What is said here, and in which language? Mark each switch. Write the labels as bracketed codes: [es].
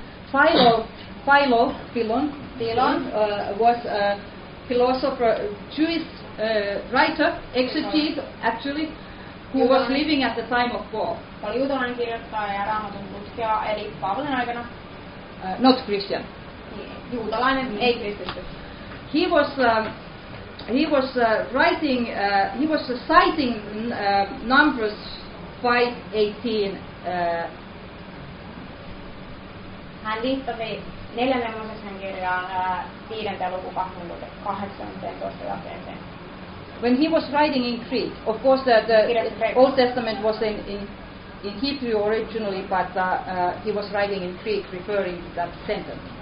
[en] Philo, Philon, was a philosopher, Jewish writer, exegete actually, who was living at the time of Paul. [fi] Juutalainen kirjoittaja ja raamatun tutkija. kristittyä, eli Paavalin aikana. [en] Not Christian. [fi] Juutalainen, ei kristitty. [en] He was citing Numbers 5:18. [fi] Hän viittasi neljännen Mooseksen kirjaan 5:18 jakeeseen. [en] When he was writing in Greek, of course the Old Testament was in Hebrew originally, but he was writing in Greek referring to that sentence.